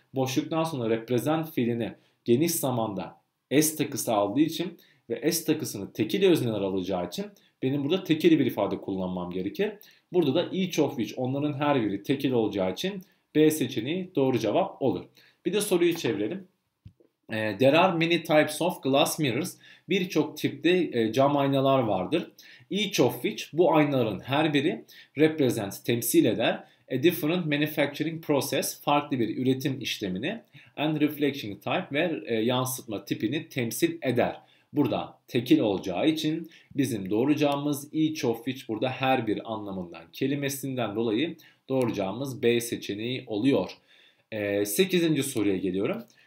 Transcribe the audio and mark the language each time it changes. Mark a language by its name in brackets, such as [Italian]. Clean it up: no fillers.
[Turkish] Boşluktan sonra represent fiilini geniş zamanda S takısı aldığı için ve S takısını tekil özneler alacağı için benim burada tekil bir ifade kullanmam gerekir. Burada da [English] each of which [Turkish] onların her biri tekil olacağı için B seçeneği doğru cevap olur. Bir de soruyu çevirelim. [English] There are many types of glass mirrors. [Turkish] Birçok tipte cam aynalar vardır. [English] Each of which [Turkish] bu aynaların her biri represent, temsil eder. [English] A different manufacturing process, [Turkish] farklı bir üretim işlemini [English] and reflection type [Turkish] ve yansıtma tipini temsil eder. Burada tekil olacağı için bizim doğru cevabımız [English] each of which [Turkish] burada her bir anlamından kelimesinden dolayı doğru cevabımız B seçeneği oluyor. 8. soruya geliyorum.